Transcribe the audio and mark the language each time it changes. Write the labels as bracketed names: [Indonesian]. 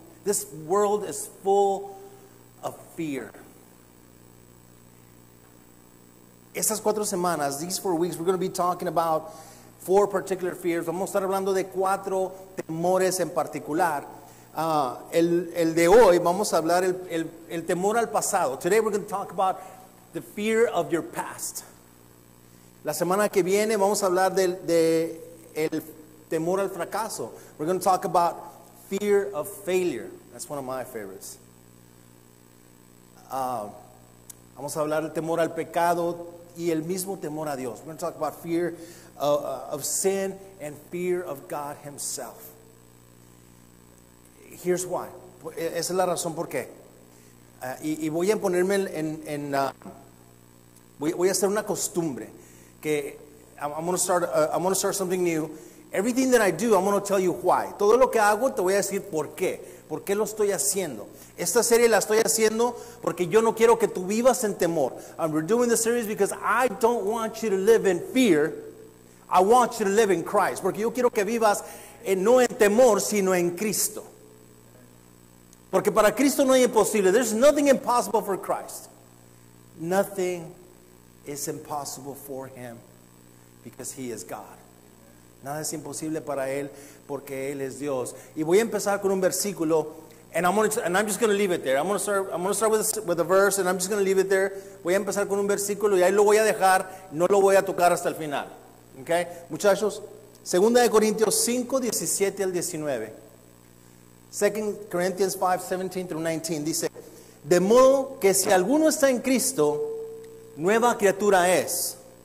[English] This world is full of fear. [Spanish] Estas cuatro semanas, [English] these 4 weeks, we're going to be talking about 4 particular fears. [Spanish] Vamos a estar hablando de 4 temores en particular. El de hoy, vamos a hablar el temor al pasado. [English] Today we're going to talk about the fear of your past. [Spanish] La semana que viene vamos a hablar del temor al fracaso. [English] We're going to talk about fear of failure. That's one of my favorites. [Spanish] Vamos a hablar del temor al pecado y el mismo temor a Dios. [English] We're going to talk about fear of sin and fear of God himself. Here's why. [Spanish] Esa es la razón por qué. Y voy a ponerme voy a hacer una costumbre. [English] I'm going to start something new. Everything that I do, I'm going to tell you why. [Spanish] Todo lo que hago, te voy a decir por qué. ¿Por qué lo estoy haciendo? Esta serie la estoy haciendo porque yo no quiero que tú vivas en temor. [English] We're doing the series because I don't want you to live in fear. I want you to live in Christ. [Spanish] Porque yo quiero que vivas no en temor, sino en Cristo. Porque para Cristo no hay imposible. [English] There's nothing impossible for Christ. Nothing is impossible for him because he is God. [Spanish] Nada es imposible para él porque él es Dios. Y voy a empezar con un versículo, [English] and I'm just going to leave it there. I'm going to start with a verse, and I'm just going to leave it there. [Spanish] Voy a empezar con un versículo y ahí lo voy a dejar. No lo voy a tocar hasta el final. Okay, muchachos, 2 Corintios 5:17-19. 2 Corinthians 5:17-19 dice, de modo que si alguno está en Cristo, nueva criatura es.